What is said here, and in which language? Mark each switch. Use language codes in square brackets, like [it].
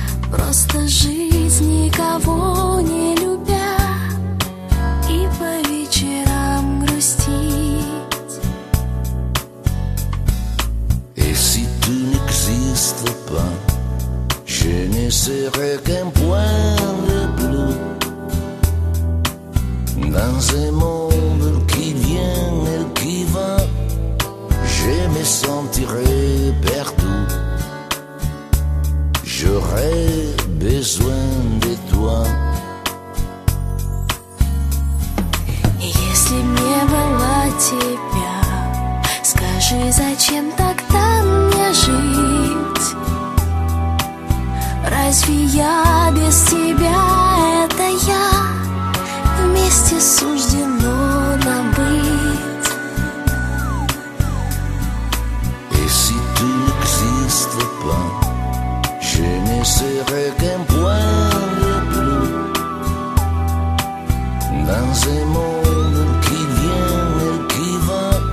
[ru] Просто жизнь, никого не любя, и по вечерам грустить. [fr] Et si tu n'existes pas, je ne serai qu'un point de bleu dans un monde qui vient et qui va. Je me sentirai perdu. J'aurai besoin de toi. [ru] Если б не было тебя, скажи, зачем тогда мне жить? Разве я без тебя, это я? Вместе суждено нам быть. [fr] Et si tu n'existes pas, je ne serai qu'un point de bleu dans un monde qui vient et qui va.